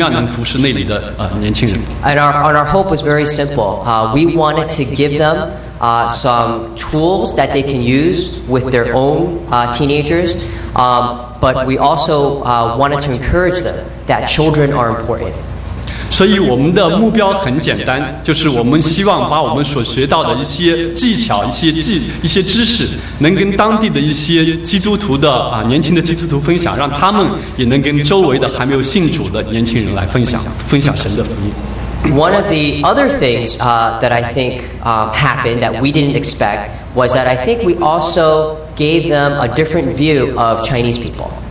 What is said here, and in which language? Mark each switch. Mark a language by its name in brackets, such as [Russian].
[Chinese] 所以我和Mike也非常的真的受到造就，我们在这里服侍青年人，让我们所学到的知识、学到的一些经验，在那里到赞比亚企业同样能服侍那里的年轻人。 [English] And our hope was very simple. We wanted to give them some tools that they can use with their own teenagers, but we also wanted to encourage them that children are important. [Chinese] 所以我们的目标很简单，就是我们希望把我们所学到的一些技巧、一些知识，能跟当地的一些基督徒的年轻的基督徒分享，让他们也能跟周围的还没有信主的年轻人来分享神的福音。 [English] One of the other things that I think happened that we didn't expect was that I think we also gave them a different view of Chinese people.